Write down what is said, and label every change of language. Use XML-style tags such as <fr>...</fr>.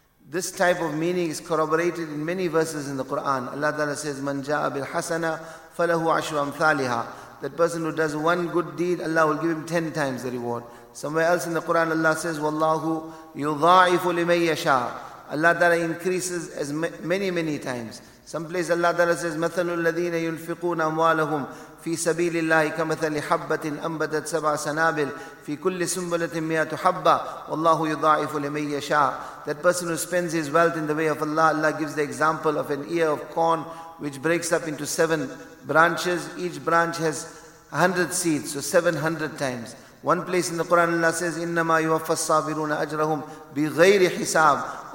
<en>This type of meaning is corroborated in many verses in the Quran. Allah ta'ala says,</en> <ar>Man ja'a bil hasana falahu ashru amthaliha.</ar> <en>That person who does one good deed, Allah will give him 10 times the reward. Somewhere else in the Quran, Allah says,</en> <ar>Wallahu yudha'ifu liman yasha.</ar> <en>Allah ta'ala increases as many, many times. Someplace Allah Ta'ala says,</en> <ar>مَثَلُ الَّذِينَ يُنْفِقُونَ أَمْوَالَهُمْ فِي سَبِيلِ اللَّهِ كَمَثَلِ حَبَّةٍ أَنْبَتَتْ سَبْعَ سَنَابِلٍ فِي كُلِّ سُنْبُلَةٍ مِيَةُ حَبَّةٍ وَاللَّهُ يُضَاعِفُ لِمَنْ يَشَاءُ.</ar> <en>That person who spends his wealth in the way of Allah, Allah gives the example of an ear of corn which breaks up into 7 branches. Each branch has 100 seeds, so 700 times. One place in the Quran Allah says,</en> <ar>إِنَّمَا يُوَفَّى الصَّابِرُونَ أَجْرَهُمْ بِغَيْرِ حِسَابٍ.</ar>